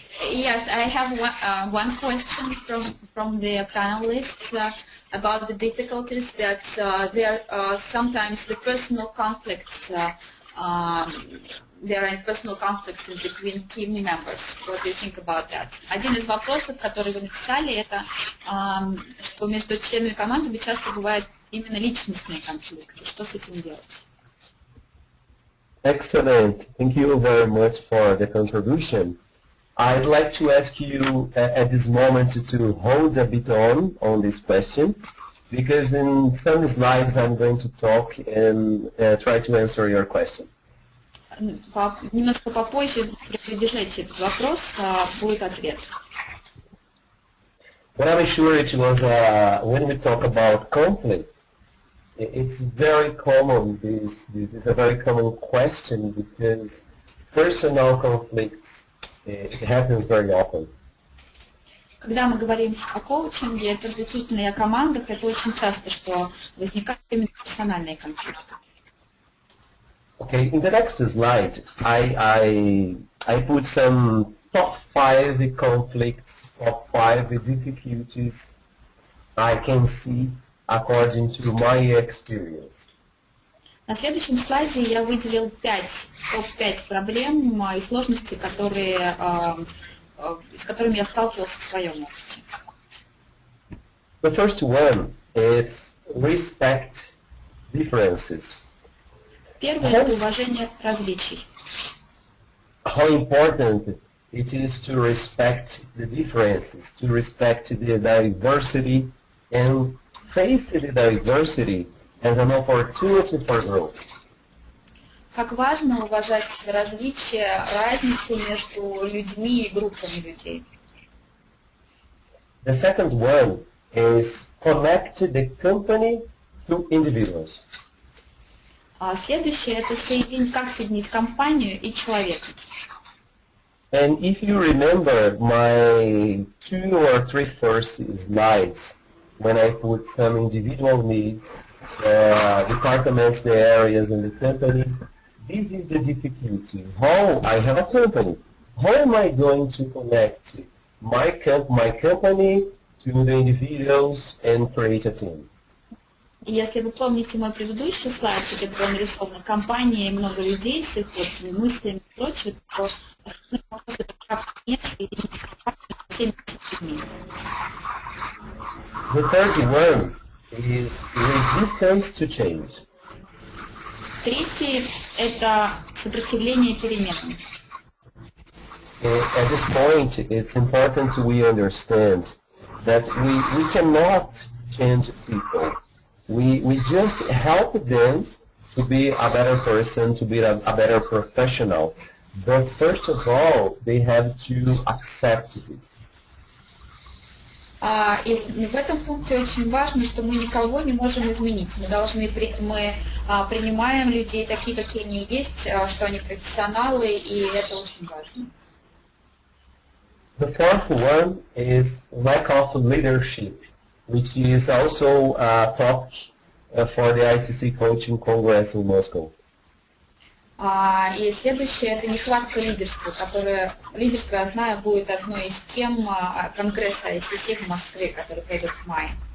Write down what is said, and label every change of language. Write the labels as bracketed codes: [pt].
[en] Yes, I have one question from the panelists about the difficulties that there are sometimes the personal conflicts. There are personal conflicts in between team members. What do you think about that? [ru] Один из вопросов, который вы написали, это что между членами команды часто бывают именно личностные конфликты. Что с этим делать? [en] Excellent. Thank you very much for the contribution. I'd like to ask you at this moment to hold a bit on this question, because in some slides I'm going to talk and try to answer your question. [ru] Немножко попозже придержите этот вопрос, будет ответ. [en] What I'm sure it was when we talk about conflict, it's very common. This is a very common question because personal conflicts it happens very often. [ru] Когда мы говорим о коучинге, это действительно и о командах, это очень часто, что возникают именно персональные конфликты. [en] Okay, in the next slide, I put some top five conflicts, top five difficulties I can see according to my experience. [ru] На следующем слайде я выделил топ-5 проблем и сложностей, с которыми я сталкивался в своем опыте. [en] The first one is respect differences. [ru] Первое – это уважение различий. [en] How important It is to respect the differences, to respect the diversity, and face the diversity as an opportunity for growth. [ru] Как важно уважать различия, разницы между людьми и группами людей. [en] The second one is connect the company to individuals. [ru] Следующее это соединить, как соединить компанию и человека. [en] And if you remember my two or three first slides, when I put some individual needs, departments, the areas, and the company, this is the difficulty. How I have a company? How am I going to connect my company to the individuals and create a team? [ru] Если вы помните мой предыдущий слайд, где была нарисована компания и много людей с их вот мыслями и прочее, то основной вопрос это как мне соединить компанию со всеми этими людьми. [en] The third one is resistance to change. [ru] Третий – это сопротивление переменам. [en] At this point, it's important we understand that we cannot change people. We just help them to be a better person, to be a better professional. But first of all, they have to accept this. [ru] И в этом пункте очень важно, что мы никого не можем изменить. Мы принимаем людей такие, какие они есть, что они профессионалы, и это очень важно. [en] The fourth one is lack of leadership, which is also a topic for the ICC Coaching Congress in Moscow. [ru] И следующее – это нехватка лидерства, которое, лидерство, я знаю, будет одной из тем конгресса ICC в Москве, который пройдет в мае.